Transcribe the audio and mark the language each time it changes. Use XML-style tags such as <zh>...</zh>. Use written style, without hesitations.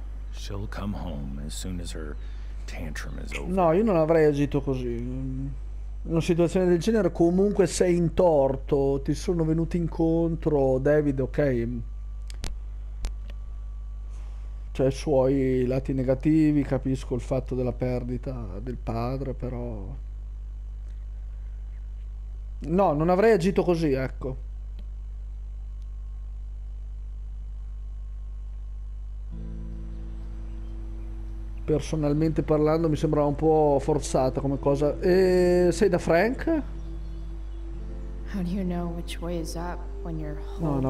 <en>She'll come home as soon as her tantrum is over.</en> <it>No, io non avrei agito così. In una situazione del genere, comunque sei in torto. Ti sono venuti incontro, David, ok. Cioè, i suoi lati negativi, capisco il fatto della perdita del padre, però... No, non avrei agito così, ecco. Personalmente parlando, mi sembrava un po' forzata come cosa. E sei da Frank?</it> <en>How do you know which way is up when your whole life is turned upside down?</en>